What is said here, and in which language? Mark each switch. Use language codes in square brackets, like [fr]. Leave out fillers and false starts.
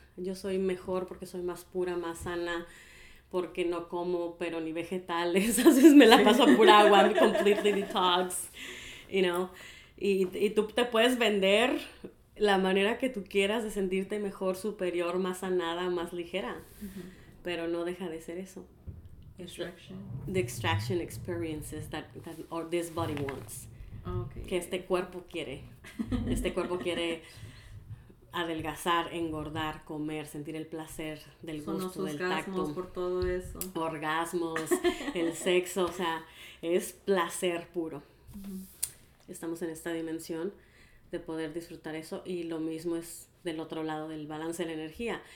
[es] Yo soy mejor porque soy más pura, más sana, porque no como, pero ni vegetales. Entonces me la paso pura agua, [en] completely detox, you know. [es] Y tú te puedes vender la manera que tú quieras de sentirte mejor, superior, más sanada, más ligera. Uh-huh. Pero no deja de ser eso. [en] Extraction. The extraction experiences that or this body wants. Okay. [es] Que este cuerpo quiere. Este cuerpo quiere adelgazar, engordar, comer, sentir el placer del gusto, del tacto. Orgasmos por todo eso. Orgasmos, el sexo, o sea, es placer puro. Uh-huh. Estamos en esta dimensión de poder disfrutar eso, y lo mismo es del otro lado del balance de la energía.